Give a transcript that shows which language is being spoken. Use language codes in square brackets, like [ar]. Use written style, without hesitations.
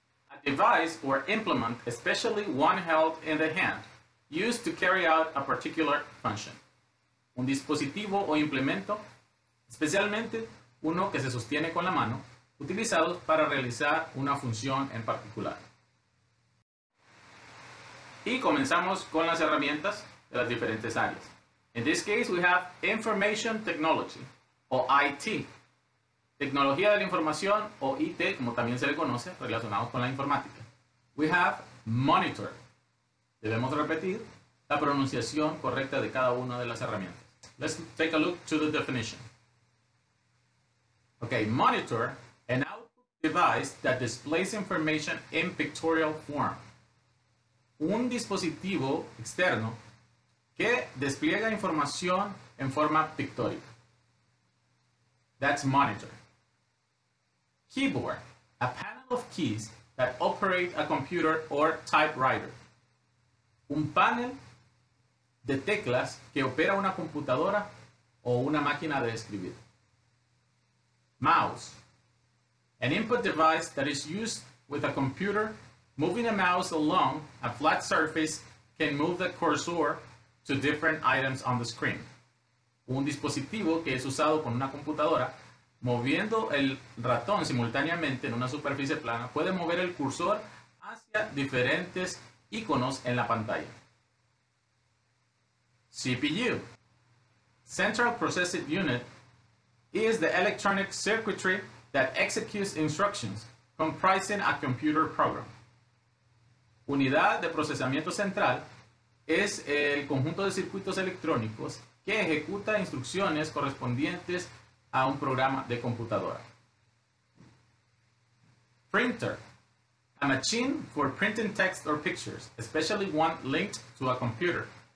[en] A device or implement, especially one held in the hand, used to carry out a particular function. [es] Un dispositivo o implemento, especialmente uno que se sostiene con la mano, utilizados para realizar una función en particular. Y comenzamos con las herramientas de las diferentes áreas. [en] In this case, we have information technology, or IT. [es] Tecnología de la información, o IT, como también se le conoce, relacionados con la informática. [en] We have monitor. [es] Debemos repetir la pronunciación correcta de cada una de las herramientas. [en] Let's take a look to the definition. Okay, monitor, an output device that displays information in pictorial form. [es] Un dispositivo externo que despliega información en forma pictórica. [en] That's monitor. Keyboard, a panel of keys that operate a computer or typewriter. [es] Un panel de teclas que opera una computadora o una máquina de escribir. [en] Mouse, an input device that is used with a computer. Moving a mouse along a flat surface can move the cursor to different items on the screen. [es] Un dispositivo que es usado con una computadora, moviendo el ratón simultáneamente en una superficie plana, puede mover el cursor hacia diferentes iconos en la pantalla. [en] CPU, Central Processing Unit, is the electronic circuitry that executes instructions, comprising a computer program. [es] Unidad de procesamiento central es el conjunto de circuitos electrónicos que ejecuta instrucciones correspondientes a un programa de computadora. [en] Printer, a machine for printing text or pictures, especially one linked to a computer.